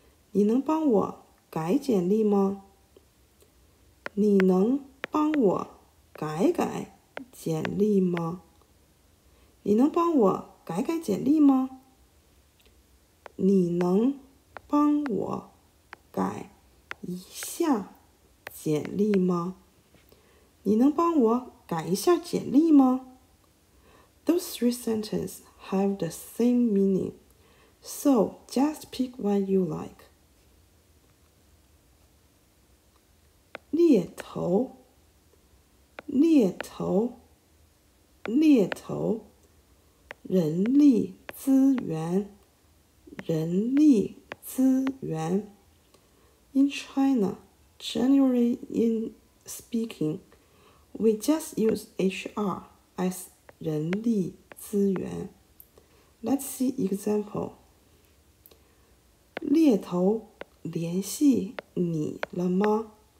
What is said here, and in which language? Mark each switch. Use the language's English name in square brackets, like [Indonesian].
[Chinese] 你能帮我改简历吗？你能帮我改改简历吗？你能帮我改改简历吗？你能帮我改一下简历吗？你能帮我改一下简历吗？ [English] Those three sentences have the same meaning. So, just pick one you like. [Chinese] 猎头，猎头，猎头，人力资源，人力资源。 [English] In China, generally in speaking, we just use HR as [Chinese] 人力资源。 [English] Let's see example. [Chinese] 猎头联系你了吗？